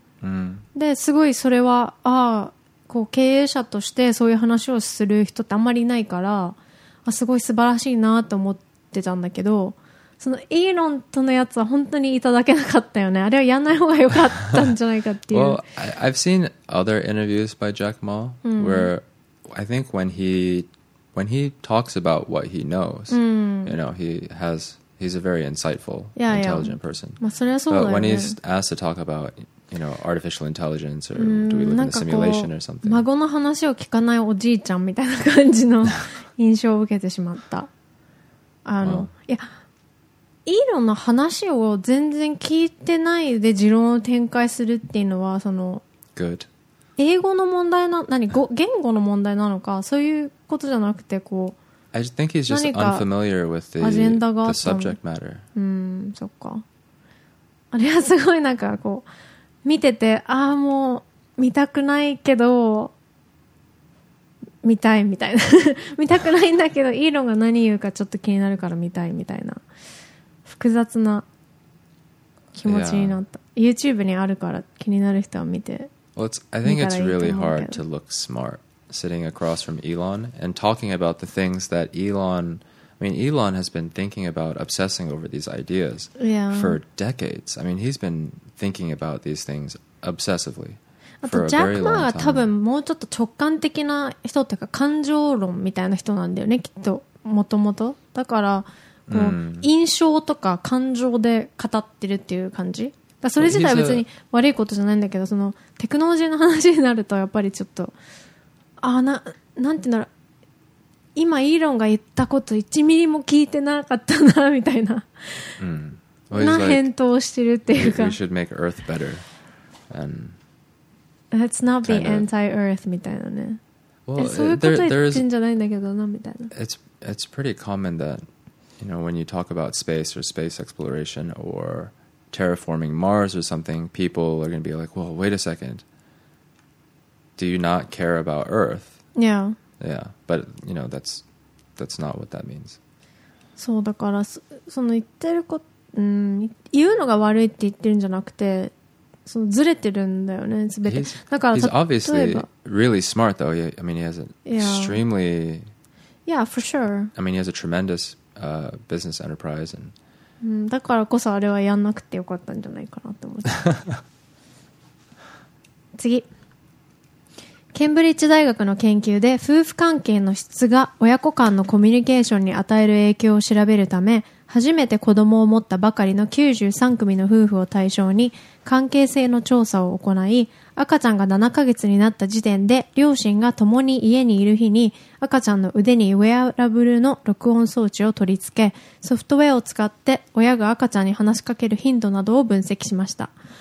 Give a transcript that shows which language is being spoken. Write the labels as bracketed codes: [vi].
[ja] Mm. で、すごいそれは、ああ、こう、経営者としてそういう話をする人ってあんまりいないから、あ、すごい素晴らしいなと思ってたんだけど、そのイーロンとのやつは本当にいただけなかったよね。あれはやんない方が良かったんじゃないかっていう。 [en] Well, I've seen other interviews by Jack Ma、うん、where I think when he talks about what he knows,、うん、 you know, he's a very insightful, yeah, intelligent yeah. person. [ja] まあそれはそうだよね。 [en] But when he's asked to talk about, you know, artificial intelligence or、うん、do we live in a simulation or something? [ja] 孫の話を聞かないおじいちゃんみたいな感じの。印象を受けてしまった。あの、いや、イーロンの話を全然聞いてないで持論を展開するっていうのは、その、 [en] Good. [ja] 英語の問題な、何、言語の問題なのか、そういうことじゃなくて、こう、 [en] I think he's just [ja] 何か [en] unfamiliar with the, [ja] アジェンダがあ [en] った。The subject matter. [ja] うん、そっか。あれはすごいなんか、こう、見てて、ああ、もう、見たくないけど、見たいみたいな見たくないんだけどイーロンが何言うかちょっと気になるから見たいみたいな複雑な気持ちになった、 yeah. YouTube にあるから気になる人は見て [en] well, it's, I think it's really hard to look smart sitting across from Elon and talking about the things that Elon I mean Elon has been thinking about obsessing over these ideas、 yeah. for decades I mean he's been thinking about these things obsessively [ja] あとジャック・マーが多分もうちょっと直感的な人っていうか感情論みたいな人なんだよねきっともともとだからこう印象とか感情で語ってるっていう感じだそれ自体は別に悪いことじゃないんだけどそのテクノロジーの話になるとやっぱりちょっとなんていうんだろう、今イーロンが言ったこと1ミリも聞いてなかったなみたいな、うん、な返答をしてるっていうか、 [en] We should make Earth better and Let's not be anti-Earth [ja] みたいなね。そういうこと言ってんじゃないんだけどなみたいな。 [en] It's pretty common that you know when you talk about space or space exploration or terraforming Mars or something, people are going to be like, well, wait a secondDo you not care about Earth? Yeah. Yeah, but you know that's not what that means. [ja] そうだから その言ってるこ、言うのが悪いって言ってるんじゃなくて、そのずれてるんだよね、すべて。だから [en] He's obviously really smart, though. I mean, he has an extremely Yeah, for sure. I mean, he has a tremendous business enterprise, and [ja] だからこそあれはやんなくてよかったんじゃないかなって思って。次。ケンブリッジ大学の研究で夫婦関係の質が親子間のコミュニケーションに与える影響を調べるため、初めて子供を持ったばかりの93組の夫婦を対象に関係性の調査を行い、赤ちゃんが7ヶ月になった時点で両親が共に家にいる日に赤ちゃんの腕にウェアラブルの録音装置を取り付け、ソフトウェアを使って親が赤ちゃんに話しかける頻度などを分析しました。